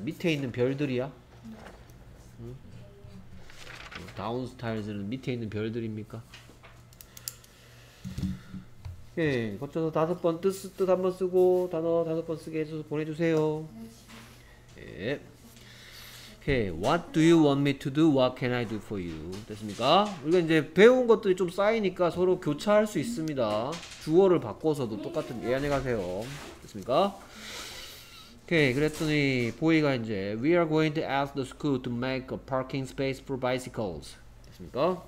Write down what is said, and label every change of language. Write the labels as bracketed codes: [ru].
[ko] 밑에 있는 별들이야? 응? 다운 스타일스는 밑에 있는 별들입니까? 예, 거쳐서 다섯 번 뜻 한번 쓰고 단어 다섯 번 쓰게 해줘서 보내주세요. 예. [en] Okay, what do you want me to do? What can I do for you? [ko] 됐습니까? 우리가 이제 배운 것들이 좀 쌓이니까 서로 교차할 수 있습니다. 주어를 바꿔서도 똑같은 예 안녕하세요. [en] 됐습니까? Okay, [ko] 그랬더니 보이가 이제 [en] we are going to ask the school to make a parking space for bicycles. [ko] 됐습니까?